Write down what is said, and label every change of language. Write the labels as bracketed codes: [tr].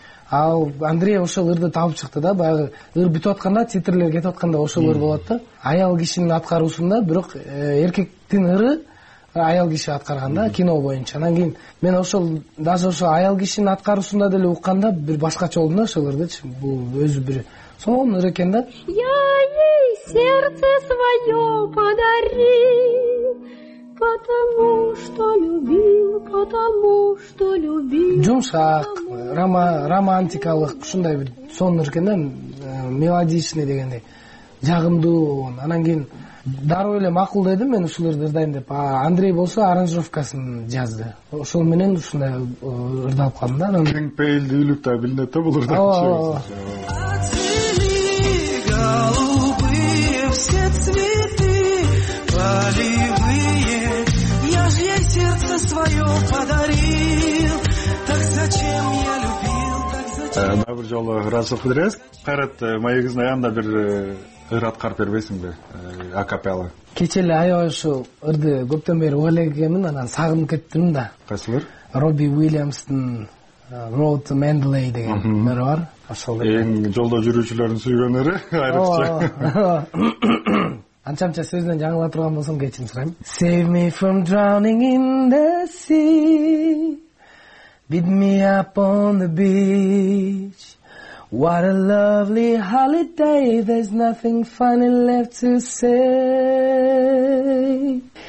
[ky] Ал Андрей ошол ырды табып чыкты да. Баягы ыр бүтүп атканда, титрлер кетип атканда ошол ыр болот да. Аял кишинин аткаруусунда, бирок эркектин ыры аял киши аткарган да кино боюнча. Анан кийин мен ошол даже ошол аял кишинин аткаруусунда деле укканда бир башкача болдум да ошол ырдычы. Бул өзү бир сонун ыр экен да. [ru] Я ей сердце свое подари, потому что любил, потому что любил. [ky] Жумшак, романтикалык ушундай бир сонун ыр экен да, мелодичный дегендей жагымдуу болгон. Анан кийин дароо эле макул дедим мен ушул ырды ырдайм деп. Андрей болсо аранжировкасын жазды, ошол менен ушундай ырдалып калдым да. Анан кең пейилдүүлүк дагы билинет да бул ырда. Дагы бир жолу ыраазычылык билдиребиз. Кайрат маегибиздин аягында бир ыр аткарып бербейсиңби акапелла? Кече эле аябай ушул ырды көптөн бери угала экенмин, анан сагынып кеттим да. Кайсыл ыр? Робби Уильямстын Road to Mandalay деген ыры бар. Ошол эң жолдо жүрүүчүлөрдүн сүйгөн ыры айрыкча. Анча-мынча сөзүнөн жаңыла турган болсом кечирим сурайм. [en] Save me from drowning in the sea, beat me up on the beach, what a lovely holiday, there's nothing funny left to say,